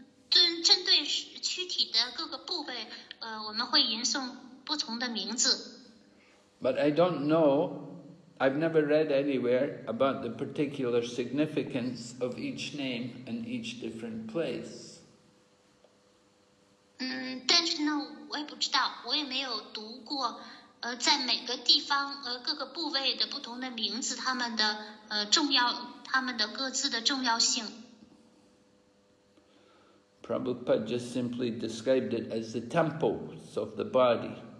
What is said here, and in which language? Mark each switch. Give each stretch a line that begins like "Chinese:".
Chinese: 针对躯体的各个部位，我们会吟诵不同的名字。
English: But I don't know, I've never read anywhere about the particular significance of each name in each different place.
Chinese: 但是呢，我也不知道，我也没有读过，在每个地方各个部位的不同的名字，它们的重要，它们的各自的重要性。
English: Prabhupada just simply described it as the temples of the body.